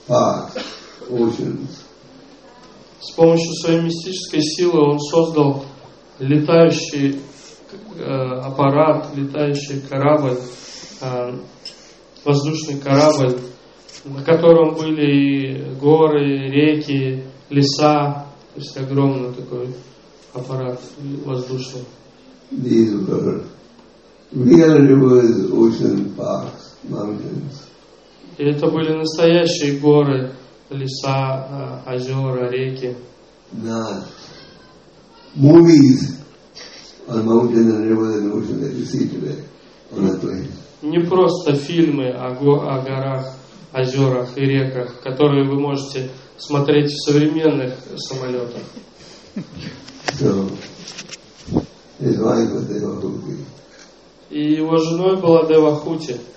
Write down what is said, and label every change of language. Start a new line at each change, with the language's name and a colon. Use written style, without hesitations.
Russian: С помощью своей мистической силы он создал летающий аппарат, летающий корабль, воздушный корабль, на котором были и горы, и реки, и леса, то есть огромный такой аппарат воздушный.
English: These were real rivers, ocean, parks, mountains.
Russian: И это были настоящие горы, леса, озера, реки.
English: Not movies on mountains and rivers and oceans that you see today on the plane.
Russian: Не просто фильмы о горах, озерах и реках, которые вы можете смотреть в современных самолетах. И его женой была Дева Хути.